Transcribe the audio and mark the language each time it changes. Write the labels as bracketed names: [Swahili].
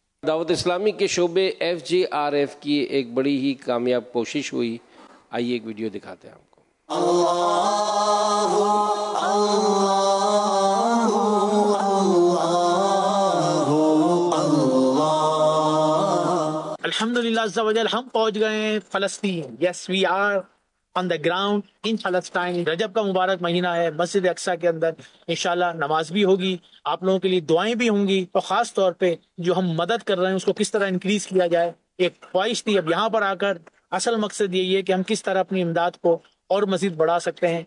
[Urdu] دعوت اسلامی کے شعبے ایف جی آر ایف کی ایک بڑی ہی کامیاب کوشش ہوئی, آئیے ایک ویڈیو دکھاتے ہیں آپ کو. [Arabic] اللہ [Urdu] الحمدللہ عز و جل ہم پہنچ گئے ہیں فلسطین. [English] Yes we are on the ground in فلسطین. [Urdu] رجب کا مبارک مہینہ ہے, مسجد اقصی کے اندر انشاءاللہ نماز بھی ہوگی, آپ لوگوں کے لیے دعائیں بھی ہوں گی, اور خاص طور پہ جو ہم مدد کر رہے ہیں اس کو کس طرح انکریز کیا جائے ایک خواہش تھی. اب یہاں پر آ کر اصل مقصد یہی ہے کہ ہم کس طرح اپنی امداد کو اور مزید بڑھا سکتے ہیں.